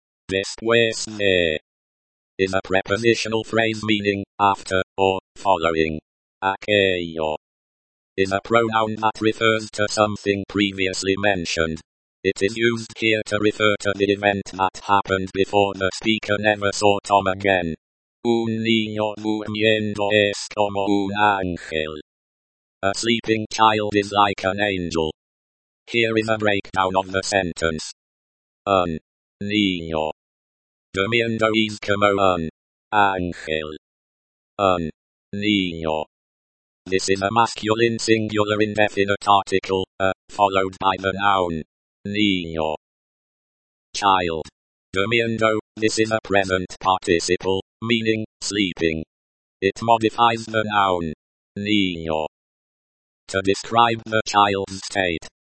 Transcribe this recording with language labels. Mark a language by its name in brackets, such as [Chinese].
[English] Después de is a prepositional phrase meaning after or following. Aquello is a pronoun that refers to something previously mentioned. It is used here to refer to the event that happened before the speaker never saw Tom again. [Spanish] Un niño durmiendo es como un ángel. [English] A sleeping child is like an angel. Here is a breakdown of the sentence. [Spanish] Un niño durmiendo es como un ángel. Un niño. [English] This is a masculine singular indefinite article, followed by the noun. Niño. Child. Durmiendo, this is a present participle, meaning sleeping. It modifies the noun. Niño. To describe the child's state.